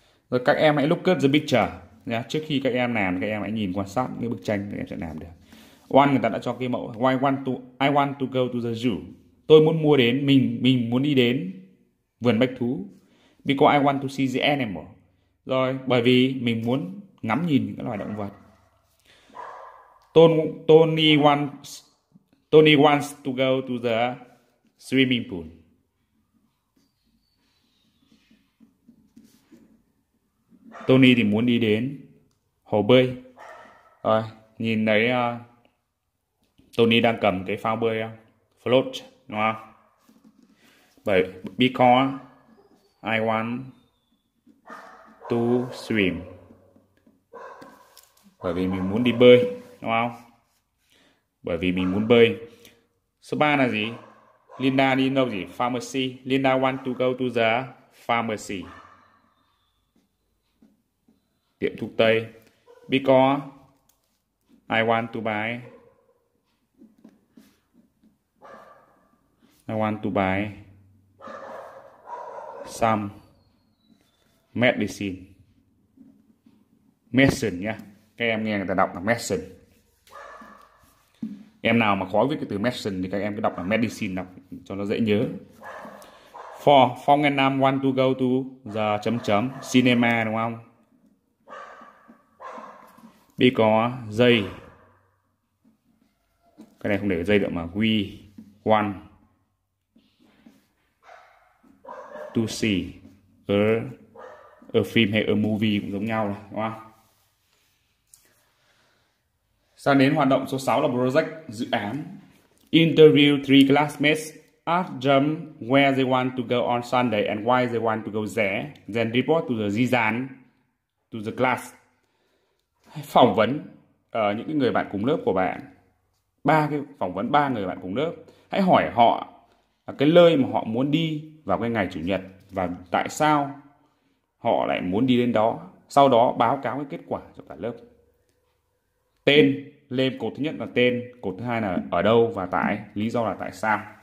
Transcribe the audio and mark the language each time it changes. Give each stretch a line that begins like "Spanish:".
Vietnamese: Rồi các em hãy
English: look at the picture. Yeah,
Vietnamese: trước khi các em làm, các em hãy nhìn quan sát những bức tranh các em sẽ làm được.
English: One,
Vietnamese: người ta đã cho cái mẫu.
English: I want to go to the zoo.
Vietnamese: Tôi muốn mua đến, mình muốn đi đến vườn bách thú.
English: Because I want to see the animal.
Vietnamese: Rồi, bởi vì mình muốn ngắm nhìn những loài động vật.
English: Tony wants to go to the swimming pool.
Vietnamese: Tony thì muốn đi đến hồ bơi. Rồi, nhìn thấy Tony đang cầm cái phao bơi không?
English: Float,
Vietnamese: đúng không? Bởi
English: because I want to swim.
Vietnamese: Bởi vì mình muốn đi bơi, đúng không? Bởi vì mình muốn bơi. Số 3 là gì? Linda đi đâu gì? Pharmacy.
English: Linda want to go to the pharmacy.
Vietnamese: Tiệm thuốc tây.
English: Because I want to buy some medicine nhá.
Vietnamese: Các em nghe người ta đọc là medicine. Em nào mà khó viết cái từ medicine thì các em cứ đọc là medicine, đọc cho nó dễ nhớ.
English: For Phong and Nam want to go to the cinema
Vietnamese: đúng không?
English: Because they,
Vietnamese: cái này không để dây được mà,
English: we want to see a film
Vietnamese: hay
English: a movie
Vietnamese: cũng giống nhau đúng không? Sang đến hoạt động số 6 là project, dự án.
English: Interview 3 classmates, ask them where they want to go on Sunday and why they want to go there, then report to the design, to the class.
Vietnamese: Phỏng vấn những người bạn cùng lớp của bạn, ba người bạn cùng lớp, hãy hỏi họ cái nơi mà họ muốn đi vào cái ngày chủ nhật và tại sao họ lại muốn đi đến đó. Sau đó báo cáo cái kết quả cho cả lớp. Tên lên cột thứ nhất là tên, cột thứ hai là ở đâu và tại lý do là tại sao.